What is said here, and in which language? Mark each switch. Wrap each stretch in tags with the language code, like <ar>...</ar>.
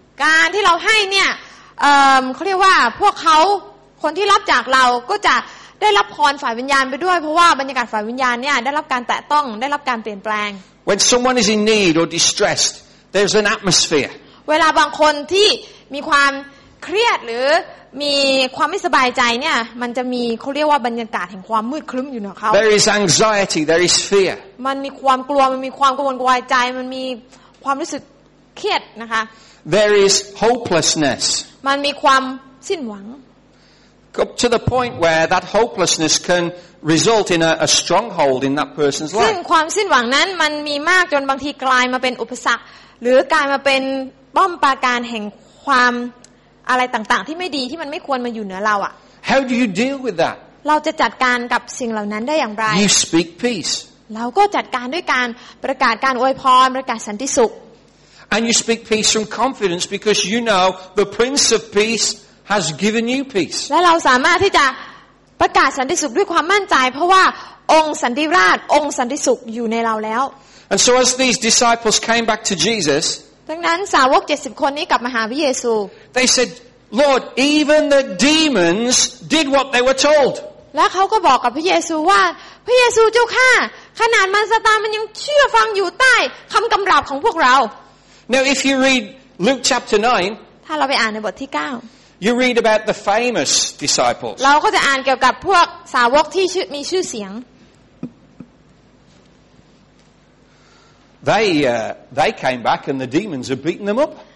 <th>การที่เราให้เนี่ยเขาเรียกว่าพวกเขาคนที่รับจากเราก็จะได้รับพรฝ่ายวิญญาณไปด้วยเพราะว่าบรรยากาศฝ่ายวิญญาณเนี่ยได้รับการแตะต้องได้รับการเปลี่ยนแปลง</th> <en>When someone is in need or distressed. There's an atmosphere.</en> <th>เวลาบางคนที่มีความเครียดหรือมีความไม่สบายใจเนี่ยมันจะมีเขาเรียกว่าบรรยากาศแห่งความมืดครึ้มอยู่เนาะเขา</th> <en>There is anxiety. There is fear.</en> <th>มันมีความกลัวมันมีความกังวลกังวายใจมันมีความรู้สึกเครียดนะคะ</th> <en>There is hopelessness.</en> <th>มันมีความสิ้นหวัง</th> <en>Up to the point where that hopelessness can result in a stronghold in that person's life.</en> <th>ซึ่งความสิ้นหวังนั้นมันมีมากจนบางทีกลายมาเป็นอุปสรรคหรือกลายมาเป็นป้อมปราการแห่งความอะไรต่างๆที่ไม่ดีที่มันไม่ควรมาอยู่เหนือเราอ่ะ</th> <en>How do you deal with that</en> <th>เราจะจัดการกับสิ่งเหล่านั้นได้อย่างไร</th> <en>You speak peace</en> <th>เราก็จัดการด้วยการประกาศการอวยพรประกาศสันติสุข</th> <en>And you speak peace from confidence because you know the Prince of Peace has given you peace</en> <th>และเราสามารถที่จะประกาศสันติสุขด้วยความมั่นใจเพราะว่าองค์สันติราชองค์สันติสุขอยู่ในเราแล้ว</th> <en>And so as these disciples came back to Jesus,</en> <th>ดังนั้นสาวก70คนนี้กลับมาหาพระเยซู</th> <en>They said, "Lord, even the demons did what they were told."</en> <th>แล้วเขาก็บอกกับพระเยซูว่าพระเยซูเจ้าข้าขนาดมันซาตานมันยังเชื่อฟังอยู่ใต้คำกำราบของพวกเรา</th> <en>Now, if you read Luke chapter 9,</en> <th>ถ้าเราไปอ่านในบทที่9</th> <en>you read about the famous disciples.</en> <th>เราก็จะอ่านเกี่ยวกับพวกสาวกที่มีชื่อเสียง</th> <en>They came back and the demons had beaten them up.</en>